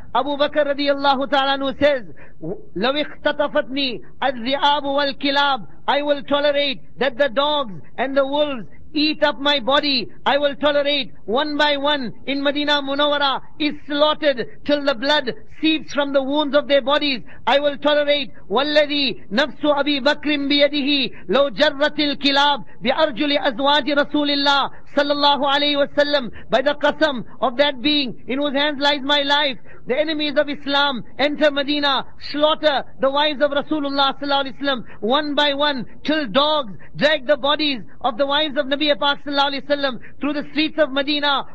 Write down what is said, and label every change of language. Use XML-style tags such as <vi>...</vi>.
<en>Abu Bakr radiyallahu ta'ala anhu says,</en> <ar>لَوِ اخْتَطَفَتْنِي الذِّعَابُ وَالْكِلَابُ,</ar> <en>I will tolerate that the dogs and the wolves eat up my body. I will tolerate one by one in Madinah Munawwara is slaughtered till the blood seeps from the wounds of their bodies. I will tolerate</en> <ar>وَالَّذِي نَفْسُ أَبِي بَكْرٍ بِيَدِهِ لَوْ جَرَّتِ الْكِلَابِ بِأَرْجُلِ أَزْوَاجِ رَسُولِ اللَّهِ صَلَّى اللَّهُ عَلَيْهِ وَسَلَّمُ.</ar> <en>By the qasam of that being in whose hands lies my life, the enemies of Islam enter Medina, slaughter the wives of Rasulullah sallallahu alaihi wasallam one by one, till dogs drag the bodies of the wives of Nabi Pak sallallahu alaihi wasallam through the streets of Medina.</en>